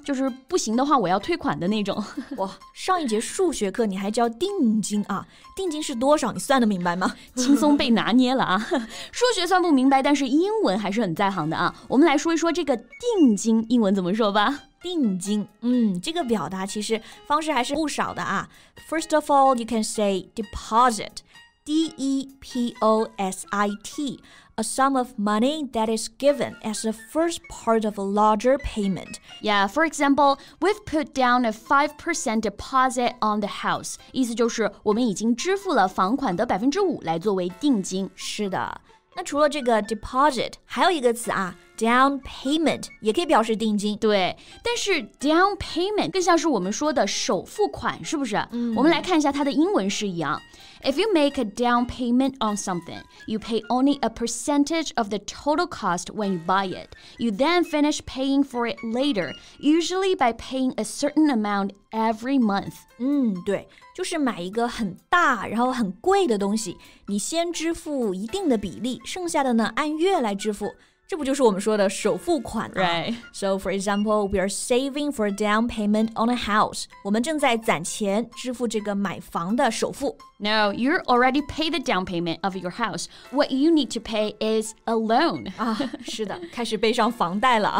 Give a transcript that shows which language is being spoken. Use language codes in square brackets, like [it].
[zh] 就是不行的话我要退款的那种。哇，上一节数学课你还交定金啊？定金是多少？你算得明白吗？轻松被拿捏了啊。数学算不明白，但是英文还是很在行的啊。我们来说一说这个定金英文怎么说吧定金这个表达其实方式还是不少的啊 [en] First of all, you can say deposit D-E-P-O-S-I-T A sum of money that is given as the first part of a larger payment Yeah, for example, we've put down a 5% deposit on the house [zh] 意思就是我们已经支付了房款的 5% 来作为定金是的那除了这个 deposit, 还有一个词啊 ,down payment, 也可以表示定金。对但是 down payment 更像是我们说的首付款是不是我们来看一下它的英文是一样。 [en] If you make a down payment on something, you pay only a percentage of the total cost when you buy it. You then finish paying for it later, usually by paying a certain amount every month. [zh] 对就是买一个很大然后很贵的东西你先支付一定的比例剩下的呢按月来支付这不就是我们说的首付款啊。 [en] Right. So for example, we are saving for a down payment on a house. [zh] 我们正在攒钱支付这个买房的首付。 [en] No, you're already paid the down payment of your house. What you need to pay is a loan. [zh] 啊，是的，开始背上房贷了啊。